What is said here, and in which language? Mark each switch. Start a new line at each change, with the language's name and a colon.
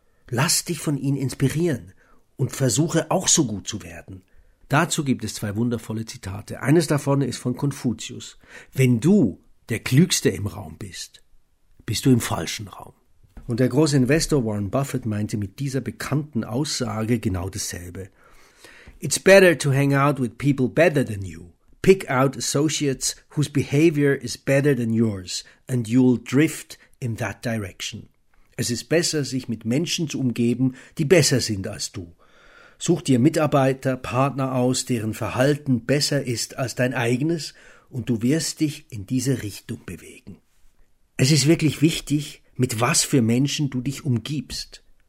German: Lass dich von ihnen inspirieren und versuche auch so gut zu werden. Dazu gibt es zwei wundervolle Zitate. Eines davon ist von Konfuzius. Wenn du der Klügste im Raum bist, bist du im falschen Raum. Und der große Investor Warren Buffett meinte mit dieser bekannten Aussage genau dasselbe.
English: It's better to hang out with people better than you. Pick out associates whose behavior is better than yours and you'll drift in that direction.
German: Es ist besser, sich mit Menschen zu umgeben, die besser sind als du. Such dir Mitarbeiter, Partner aus, deren Verhalten besser ist als dein eigenes und du wirst dich in diese Richtung bewegen. Es ist wirklich wichtig, mit was für Menschen du dich umgibst.